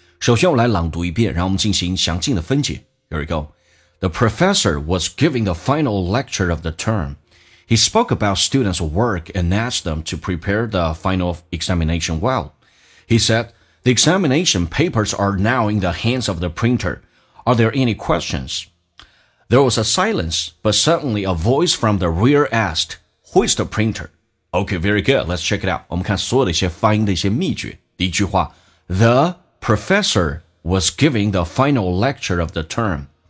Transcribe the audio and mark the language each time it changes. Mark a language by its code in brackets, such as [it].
[zh] 首先我来朗读一遍，然后我们进行详尽的分解。 [en] Here we go. The professor was giving the final lecture of the term. He spoke about students' work and asked them to prepare the final examination well. He said, the examination papers are now in the hands of the printer. Are there any questions? There was a silence, but suddenly a voice from the rear askedWho is the printer? Okay, very good. Let's check it out. [zh] 我们看所有的一些发音的一些秘诀。第一句话 [en] The professor was giving the final lecture of the term.